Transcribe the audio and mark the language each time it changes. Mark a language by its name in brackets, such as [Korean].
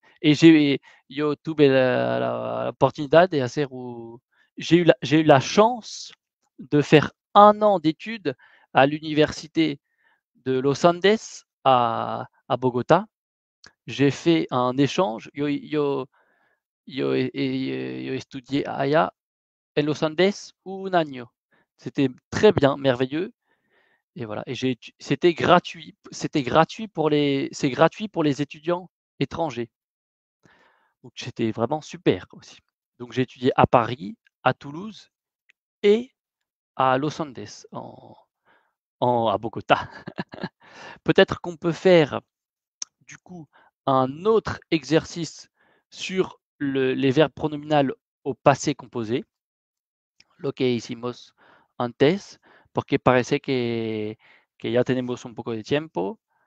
[French] Et j'ai eu YouTube l'opportunité de faire où j'ai eu la chance de faire un an d'études à l'université de Los Andes à Bogota. J'ai fait un échange. [Spanish] Yo étudié allá en Los Andes un año. [French] C'était très bien, merveilleux. Et voilà. Et j'ai c'était gratuit. C'est gratuit pour les étudiants étrangers. Donc c'était vraiment super aussi. Donc j'ai étudié à Paris, à Toulouse et à Los Andes, à Bogota. Peut-être qu'on peut faire du coup un autre exercice sur les verbes pronominaux au passé composé. [Spanish] Lo que hicimos antes, porque parece que ya tenemos un poco de tiempo.